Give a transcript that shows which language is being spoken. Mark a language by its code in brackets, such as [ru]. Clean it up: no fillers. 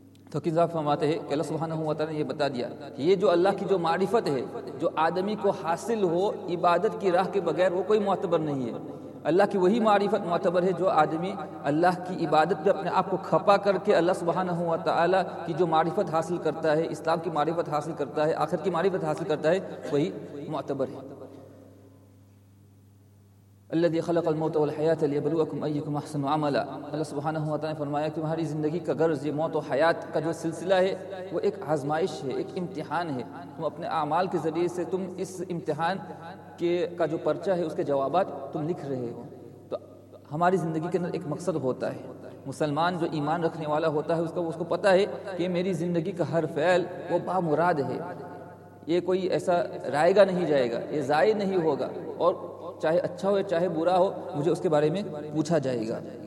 [ur] تو حکیم صاحب فرماتے ہیں کہ اللہ سبحانہ و تعالیٰ نے یہ بتا دیا کہ یہ جو اللہ کی جو معرفت ہے جو آدمی کو حاصل ہو عبادت کی راہ کے بغیر، وہ کوئی معتبر نہیں ہے. اللہ کی وہی معرفت معتبر ہے جو آدمی اللہ کی عبادت پہ اپنے آپ کو کھپا کر کے اللہ سبحانہ و تعالیٰ کی جو معرفت حاصل کرتا ہے، اسلام کی معرفت حاصل کرتا ہے، آخر کی معرفت حاصل کرتا ہے، وہی معتبر ہے. [ar] الذي خلق الموت والحياة ليبلوكم ايكم احسن عملا. [ur] اللہ سبحانہ وتعالیٰ نے فرمایا کہ تمہاری زندگی کا غرض، یہ موت و حیات کا جو سلسلہ ہے، وہ ایک آزمائش ہے، ایک امتحان ہے. تم اپنے اعمال کے ذریعے سے تم اس امتحان کا جو پرچہ ہے اس کے جوابات تم لکھ رہے ہو. تو ہماری زندگی کے اندر ایک مقصد ہوتا ہے. مسلمان جو ایمان رکھنے والا ہوتا ہے اس کو پتہ ہے کہ میری زندگی کا ہر فعل وہ با مراد ہے، یہ کوئی ایسا رائے گا نہیں جائے گا، یہ ضائع نہیں ہوگا، اور چاہے اچھا ہو چاہے برا ہو مجھے اس کے بارے میں پوچھا جائے گا.